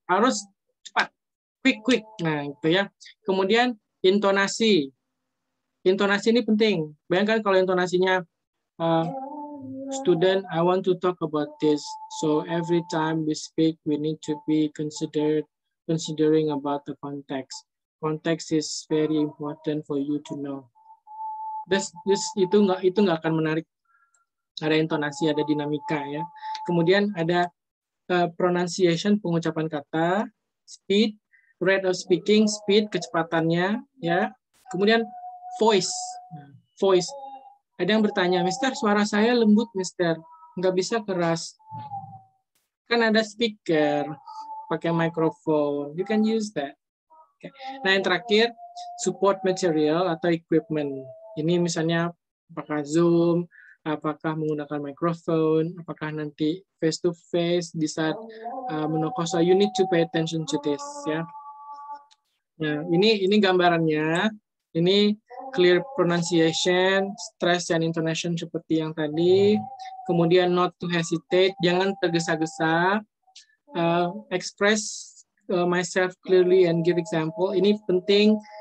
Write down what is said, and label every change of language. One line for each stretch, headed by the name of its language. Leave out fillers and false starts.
Indonesian: Harus cepat, quick, nah gitu ya. Kemudian intonasi ini penting. Bayangkan kalau intonasinya
English: student, I want to talk about this, so every time we speak we need to be considering about the context. Context is very important for you to know.
Indonesian: Itu nggak akan menarik. Ada intonasi, ada dinamika ya. Kemudian ada pronunciation, pengucapan kata, speed, rate of speaking, speed, kecepatannya ya. Kemudian voice. Ada yang bertanya, Mister, suara saya lembut, Mister, nggak bisa keras. Kan ada speaker, pakai microphone,
English: you can use that.
Indonesian: Okay. Nah yang terakhir, support material atau equipment. Ini misalnya apakah Zoom, apakah menggunakan microphone, apakah nanti face to face di saat menokosa.
English: You need to pay attention to this
Indonesian: ya. Nah, ini gambarannya. Ini clear pronunciation, stress and intonation seperti yang tadi. Kemudian
English: not to hesitate,
Indonesian: jangan tergesa-gesa.
English: Express myself clearly and give example.
Indonesian: Ini penting.